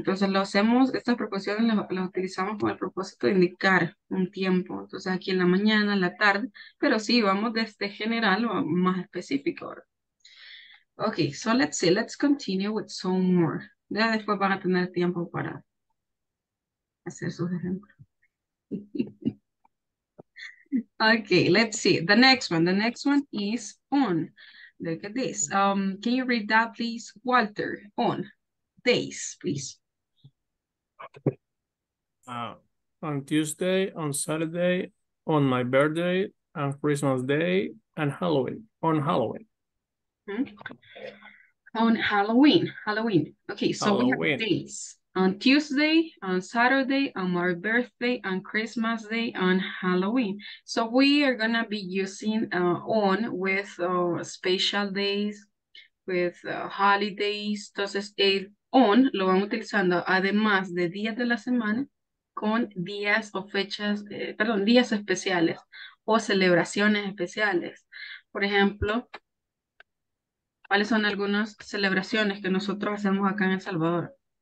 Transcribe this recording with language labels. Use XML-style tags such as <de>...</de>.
<es>Entonces lo hacemos, estas preposiciones las utilizamos con el propósito de indicar un tiempo. Entonces aquí en la mañana, en la tarde, pero sí, vamos desde general o más específico.</es> <en>Okay, so let's see, let's continue with some more.</en> <es>Ya después van a tener tiempo para hacer sus ejemplos.</es> <en>Okay, let's see, the next one is on. Look at this. Can you read that, please, Walter? On days, please. On Tuesday, on Saturday, on my birthday, on Christmas Day, and Halloween. On Halloween. Mm-hmm. On Halloween. Halloween. Okay, so Halloween. We have days. On Tuesday, on Saturday, on my birthday, on Christmas Day, on Halloween. So we are gonna be using on with special days, with holidays.</en> <es>Entonces el on lo vamos utilizando además de días de la semana con días o fechas, perdón, días especiales o celebraciones especiales. Por ejemplo, ¿cuáles son algunas celebraciones que nosotros hacemos acá en El Salvador?</es>